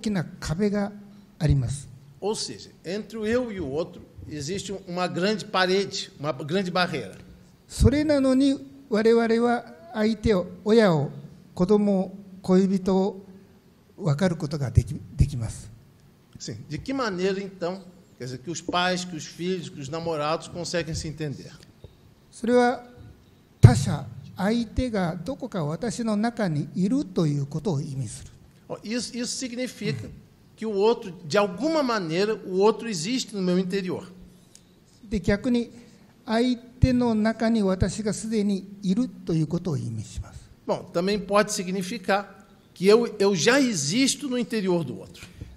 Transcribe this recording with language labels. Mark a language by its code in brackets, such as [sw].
[ja] 私と相手は他者同士ですから大きな壁があります。 [pt] Ou seja, entre o eu e o outro existe uma grande parede, uma grande barreira. [ja] それなのに我々は 相手を親を子供恋人を分かることができます。 [pt] Sim. De que maneira então, quer dizer, que os pais, que os filhos, que os namorados conseguem se entender? [ja] それは他者、相手がどこか私の中にいるということを意味する。 [pt] Isso significa que o outro, de alguma maneira, o outro existe no meu interior. [ja] で逆に 相手の中に私がすでにいるということを意味します。 [pt] Bom, também pode significar que eu já existo no interior do outro.